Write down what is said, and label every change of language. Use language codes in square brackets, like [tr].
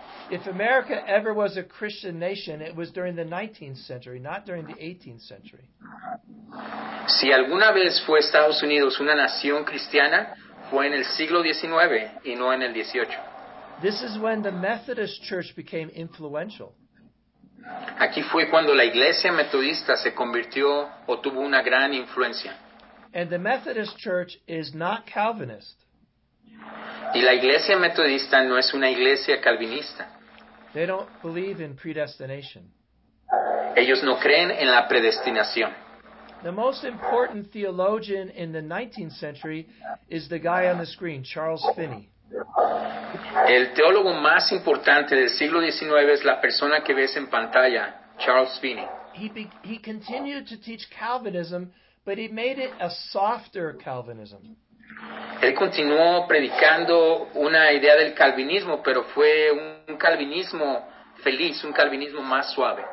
[en] If America ever was a Christian nation, it was during the 19th century, not during the 18th century. [es] Si alguna vez fue Estados Unidos una nación cristiana, fue en el siglo XIX y no en el XVIII. [en] This is when the Methodist Church became influential. [es] Aquí fue cuando la iglesia metodista se convirtió o tuvo una gran influencia. [en] And the Methodist Church is not Calvinist. [es] Y la iglesia metodista no es una iglesia calvinista. [en] They don't believe in predestination. [es] Ellos no creen en la predestinación. [en] The most important theologian in the 19th century is the guy on the screen, Charles Finney. [es] El teólogo más importante del siglo XIX es la persona que ves en pantalla, Charles Finney. [en] He continued to teach Calvinism, but he made it a softer Calvinism. [es] Él continuó predicando una idea del calvinismo, pero fue un calvinismo feliz, un calvinismo más suave.